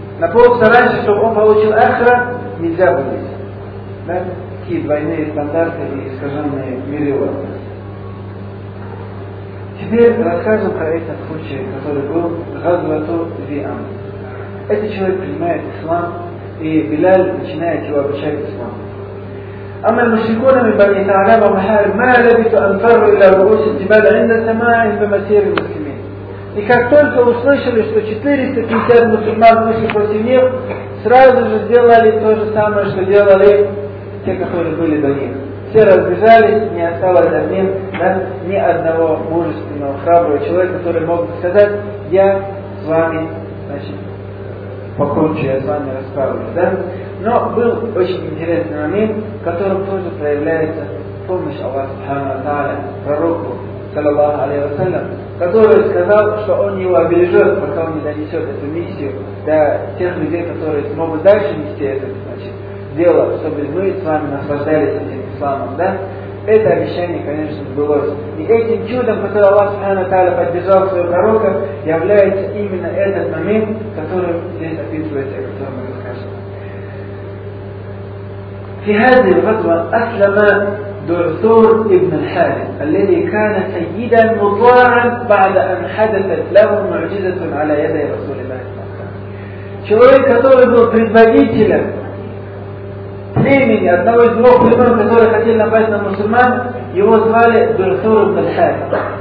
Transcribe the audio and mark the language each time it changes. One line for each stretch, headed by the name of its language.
Russian: На полчаса раньше, чтобы он получил ахра, нельзя будить. Да? Двойные стандарты и искаженные мерила. Теперь расскажем про этот случай, который был Газвату Фи-Ам. этот человек принимает ислам, и Билаль начинает его обучать ислам.
Arabic: أما المشركون من بني ثعلبة ومحارب ما لبثوا أن فروا إلى رؤوس الجبال عند سماع بمسير المسلمين.
Russian: И как только услышали, что 450 мусульман вышли против них, сразу же сделали то же самое, что делали те, которые были до них. Все разбежались, не осталось за ним ни одного мужественного, храброго человека, который мог бы сказать: «Я с вами, значит, покончу, я с вами расправлюсь». Да? Но был очень интересный момент, в котором тоже проявляется помощь Аллаха Субхана ва Тааля, пророку, саллаллаху алейхи ва саллям, который сказал, что он его обережет, пока он не донесет эту миссию до тех людей, которые смогут дальше нести это, значит, дело, чтобы мы с вами наслаждались этим исламом, да? Это обещание, конечно, сбылось. И этим чудом, которое Аллах Субхана ва Тааля поддержал своего пророка, является именно этот момент, который здесь описывается, о котором мы расскажем.
Arabic: في هذه الغزوة أسلم دعثور ابن الحارث الذي كان سيدا مطاعا بعد أن حدثت له معجزة على يد رسول الله صلى الله عليه وسلم.
Russian: человек, который был предводителем племени одного из двух племен, которые хотели напасть на мусульман, его звали دعثور ابن الحارث.